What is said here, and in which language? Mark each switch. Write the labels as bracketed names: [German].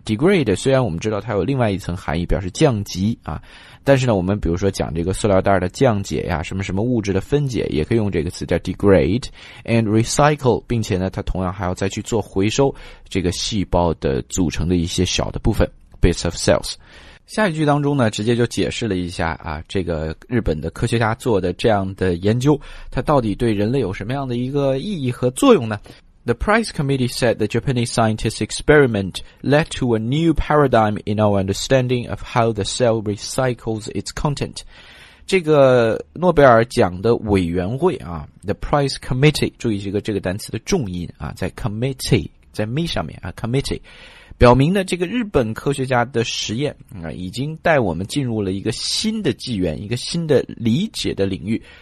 [Chinese] degrade 虽然我们知道它有另外一层含义表示降级啊，但是呢我们比如说讲这个塑料袋的降解呀，什么什么物质的分解也可以用这个词叫 [English] degrade and recycle， [Chinese] 并且呢它同样还要再去做回收这个细胞的组成的一些小的部分 [English] bits of cells。 [Chinese] 下一句当中呢直接就解释了一下啊，这个日本的科学家做的这样的研究它到底对人类有什么样的一个意义和作用呢。 [English] The prize committee said the Japanese scientist's experiment led to a new paradigm in our understanding of how the cell recycles its content. [Chinese] 这个诺贝尔奖的委员会啊 , [English] the prize committee, [Chinese] 注意这个单词的重音啊，在 committee, 在 me 上面啊 ,committee, 表明呢这个日本科学家的实验啊已经带我们进入了一个新的纪元，一个新的理解的领域。